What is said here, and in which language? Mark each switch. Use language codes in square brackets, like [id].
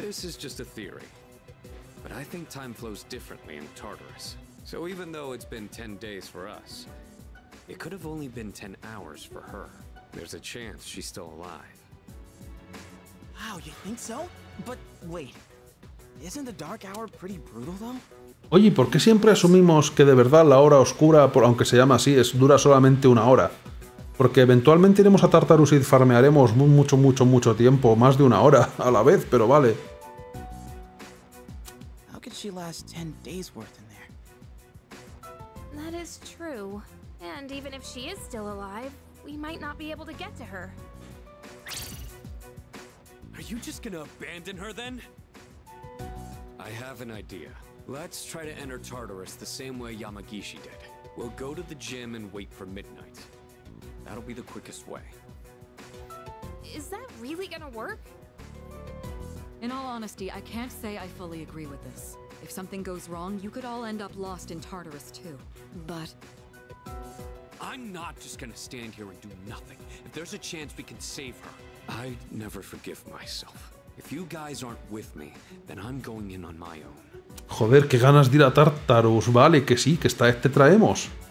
[en] This is just a theory, but I think time flows differently in Tartarus. So even though it's been 10 days for us, it could have only been 10 hours for her. There's a chance she's still alive. Wow, you think so? But wait, isn't the dark hour pretty brutal though? [es] Oye, ¿por qué siempre asumimos que de verdad la hora oscura, aunque se llama así, dura solamente una hora? Porque eventualmente iremos a Tartarus y farmearemos mucho tiempo, más de una hora a la vez, pero vale. [en] How could she last 10 days worth in there? That is true. And even if she is still alive, we might not be able to get to her. Are you just gonna abandon her then? I have an idea. Let's try to enter Tartarus the same way Yamagishi did. We'll go to the gym and wait for midnight. That'll be the quickest way. Is that really gonna work? In all honesty, I can't say I fully agree with this. If something goes wrong, you could all end up lost in Tartarus too. But... I'm not just gonna stand here and do nothing. If there's a chance we can save her, I'd never forgive myself. If you guys aren't with me, then I'm going in on my own. [es] Joder, qué ganas de ir a Tartarus. Vale, que sí, que esta vez te traemos.